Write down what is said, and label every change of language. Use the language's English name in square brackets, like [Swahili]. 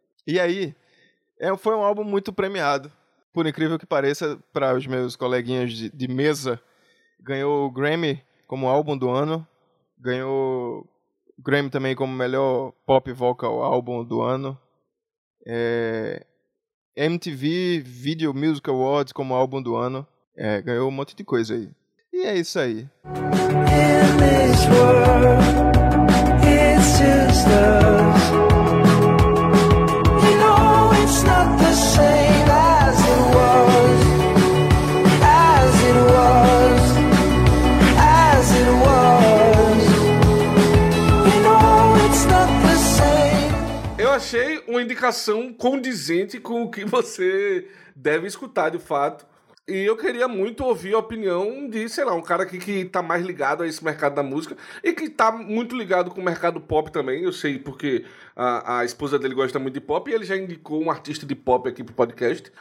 [Portuguese] E aí, foi um álbum muito premiado. Por incrível que pareça, para os meus coleguinhas de mesa, ganhou o Grammy como álbum do ano. Ganhou Grammy também como melhor pop vocal álbum do ano. MTV Video Music Awards como álbum do ano. Ganhou um monte de coisa aí. E é isso aí. [English] In this world, it's just us. You know it's not the same as it was. As it was. As it was. You know it's not the same. [Portuguese] Eu achei uma indicação condizente com o que você deve escutar de fato. E eu queria muito ouvir a opinião de, sei lá, um cara aqui que tá mais ligado a esse mercado da música e que tá muito ligado com o mercado pop também. Eu sei porque a esposa dele gosta muito de pop e ele já indicou um artista de pop aqui pro podcast.